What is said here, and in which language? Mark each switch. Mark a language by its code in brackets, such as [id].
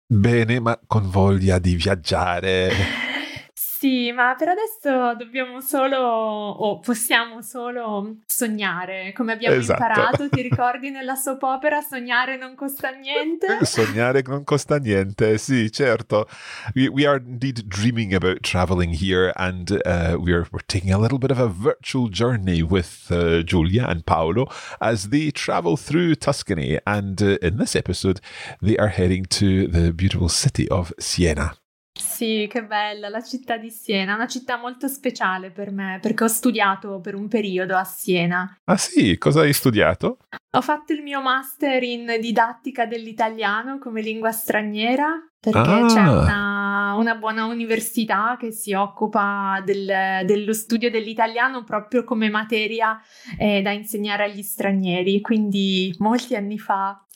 [it] Bene, ma con voglia di viaggiare. Sì, ma per adesso dobbiamo solo, o possiamo solo sognare, come abbiamo imparato, ti ricordi nella soap opera, sognare non costa niente? Sognare non costa niente, sì, certo. [en] We are indeed dreaming about traveling here and we're taking a little bit of a virtual journey with Giulia and Paolo as they travel through Tuscany and in this episode they are heading to the beautiful city of Siena. [it] Sì, che bella, la città di Siena, una città molto speciale per me, perché ho studiato per un periodo a Siena. Ah sì? Cosa hai studiato? Ho fatto il mio master in didattica dell'italiano come lingua straniera, perché c'è una buona università che si occupa dello studio dell'italiano proprio come materia da insegnare agli stranieri, quindi molti anni fa.